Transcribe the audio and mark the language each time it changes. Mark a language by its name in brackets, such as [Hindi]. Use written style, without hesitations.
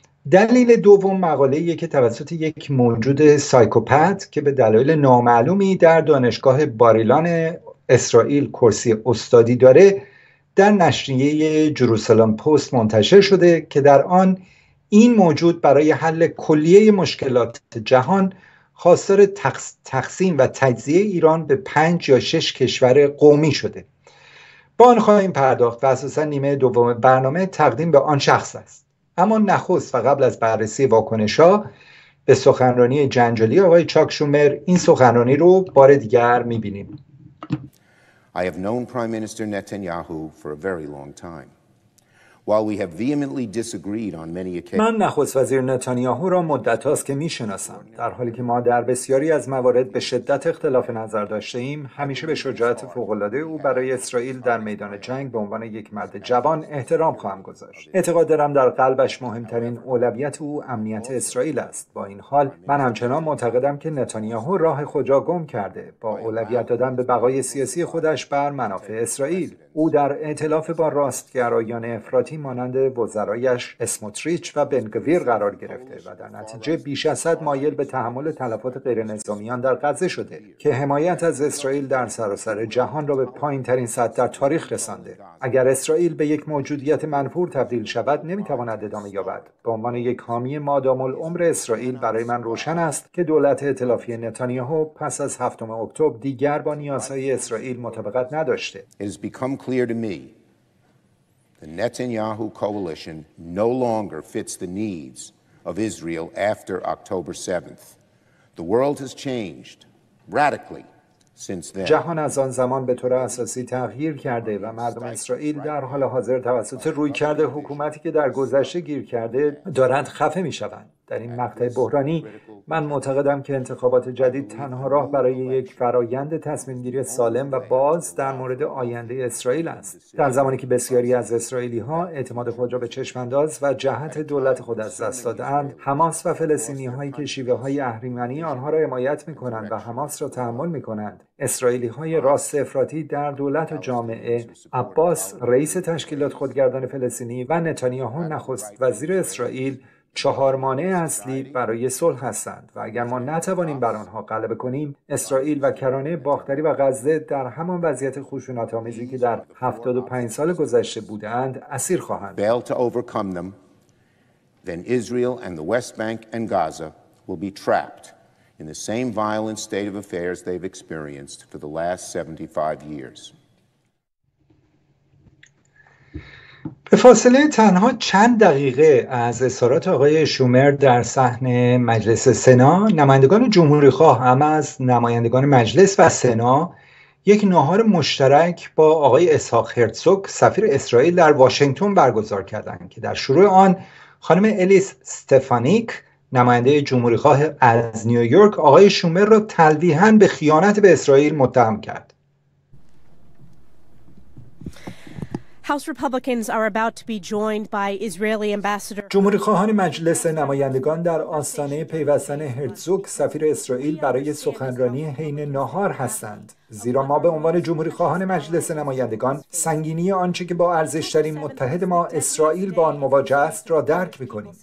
[Persian] دلیل دوم مقاله‌ای که توسط یک موجود سایکوپات که به دلایل نامعلومی در دانشگاه باریلان اسرائیل کرسی استادی داره در نشریه جروسالم پست منتشر شده که در آن این موجود برای حل کلیه مشکلات جهان خواستار تقسیم و تجزیه ایران به 5 یا 6 کشور قومی شده. با آن خواهیم پرداخت و اساسا نیمه دوم برنامه تقدیم به آن شخص است. اما نخست و قبل از بررسی واکنشا به سخنرانی جنجالی آقای چاک شومر، این سخنرانی رو بار دیگر میبینیم. [English] I have known Prime Minister Netanyahu for a very long time. While we have vehemently disagreed on many occasions. [Persian] من نخست وزیر نتانیاهو را مدت هاست که میشناسم. در حالی که ما در بسیاری از موارد به شدت اختلاف نظر داشته ایم، همیشه به شجاعت فوق العاده او برای اسرائیل در میدان جنگ به عنوان یک مرد جوان احترام خواهم گذاشت. اعتقاد دارم در قلبش مهمترین اولویت او امنیت اسرائیل است. با این حال من همچنان معتقدم که نتانیاهو راه خود را گم کرده با اولویت دادن به بقای سیاسی خودش بر منافع اسرائیل. او در ائتلاف با راستگرایان افراطی مانند وزرایش اسموتریچ و بن‌گویر قرار گرفته و در نتیجه بیش از حد مایل به تحمل تلفات غیرنظامیان در غزه شده که حمایت از اسرائیل در سراسر جهان را به پایین ترین سطح در تاریخ رسانده. اگر اسرائیل به یک موجودیت منفور تبدیل شود نمیتواند ادامه یابد. به عنوان یک حامی مادام العمر اسرائیل برای من روشن است که دولت ائتلافی نتانیاهو پس از 7 اکتبر دیگر با نیازهای اسرائیل مطابقت نداشته. [English] Clear to me, the Netanyahu coalition no longer fits the needs of Israel after October 7th. The world has changed radically. [Persian] جهان از آن زمان به طور اساسی تغییر کرده و مردم اسرائیل در حال حاضر توسط رویکرد حکومتی که در گذشته گیر کرده دارند خفه می شوند. در این مقطع بحرانی من معتقدم که انتخابات جدید تنها راه برای یک فرایند تصمیم گیری سالم و باز در مورد آینده اسرائیل است. در زمانی که بسیاری از اسرائیلی ها اعتماد خود را به چشم انداز و جهت دولت خود از دست دادند، حماس و فلسطینی هایی که شیوه های اهریمنی آنها را حمایت می کنند و حماس را تحمل می کنند، اسرائیلی های راست افراطی در دولت و جامعه، عباس رئیس تشکیلات خودگردان فلسطینی و نتانیاهو نخست وزیر اسرائیل 4 مانع اصلی برای صلح هستند و اگر ما نتوانیم بر آنها غلبه کنیم، اسرائیل و کرانه باختری و غزه در همان وضعیت خشونت آمیزی که در 75 سال گذشته بودند اسیر خواهند. [English] Fail to overcome them, then Israel and the West Bank and Gaza will be trapped in the same violent state of affairs they've experienced for the last 75 years. [Persian] به فاصله تنها چند دقیقه از اظهارات آقای شومر در صحن مجلس سنا، نمایندگان جمهوری خواه هم از نمایندگان مجلس و سنا یک ناهار مشترک با آقای اسحاق هرتزوگ سفیر اسرائیل در واشنگتن برگزار کردند که در شروع آن خانم الیس استفانیک نماینده جمهوری خواه از نیویورک آقای شومر را تلویحا به خیانت به اسرائیل متهم کرد. [English] House Republicans are about to be joined by Israeli ambassador. [Persian] جمهوری خواهان مجلس نمایندگان در آستانه پیوستن هرتزوگ سفیر اسرائیل برای سخنرانی حین ناهار هستند. زیرا ما به عنوان جمهوری خواهان مجلس نمایندگان سنگینی آنچه که با ارزشترین متحد ما اسرائیل با آن مواجه است را درک میکنیم.